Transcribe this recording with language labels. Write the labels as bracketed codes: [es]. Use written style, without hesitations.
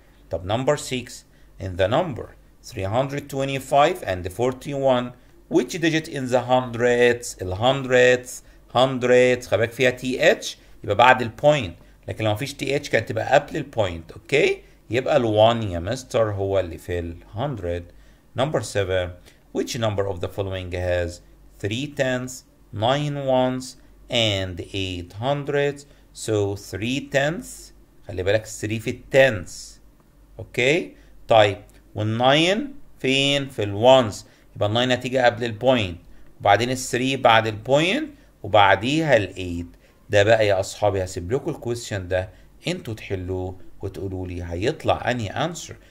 [en] طب number 6, in the number 325 and 41. Which digit in the hundredths, hundredths, [ar] hundredths, خباك فيها th يبقى بعد البوينت، لكن لو ما فيش th كانت تبقى قبل البوينت، اوكي؟ يبقى ال 1 يا مستر هو اللي في ال 100. [en] Number 7, which number of the following has 3 tenths, 9 ones, and 8 hundredths? So 3 tenths، [ar] خلي بالك 3 في التنس، اوكي؟ طيب، وال 9 فين؟ في ال ones. يبقى 9 هتيجى قبل البوينت وبعدين ال 3 بعد البوينت وبعديها ال 8. ده بقى يا اصحابي هسيب لكم الكويستشن ده انتوا تحلوه وتقولوا لي هيطلع انهي انسر.